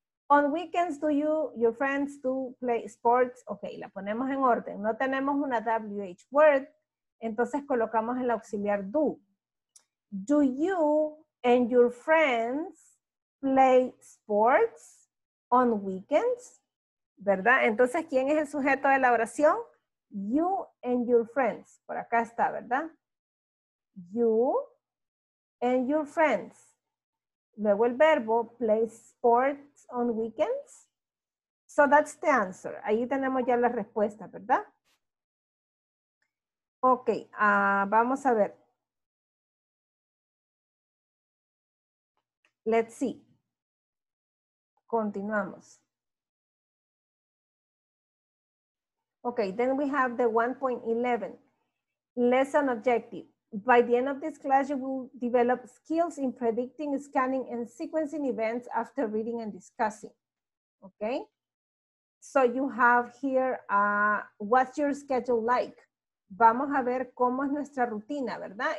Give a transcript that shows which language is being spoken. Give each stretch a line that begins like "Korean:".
English: On weekends, do you, your friends, do play sports?
Spanish: Okay, la ponemos en orden. No tenemos una WH word, entonces colocamos el auxiliar do.
English: Do you and your friends play sports on weekends?
Spanish: ¿Verdad? Entonces, ¿quién es el sujeto de la oración?
English: You and your friends.
Spanish: Por acá está, ¿verdad?
English: You and your friends.
Spanish: Luego el verbo,
English: play sports on weekends. So that's the answer.
Spanish: Ahí tenemos ya la respuesta, ¿verdad? Ok, vamos a ver.
English: Let's see. Continuamos. Ok, then we have the 1.11. Lesson objective. By the end of this class, you will develop skills in predicting, scanning, and sequencing events after reading and discussing. Okay? So you have here, what's your schedule like?
Spanish: Vamos a ver cómo es nuestra rutina, ¿verdad?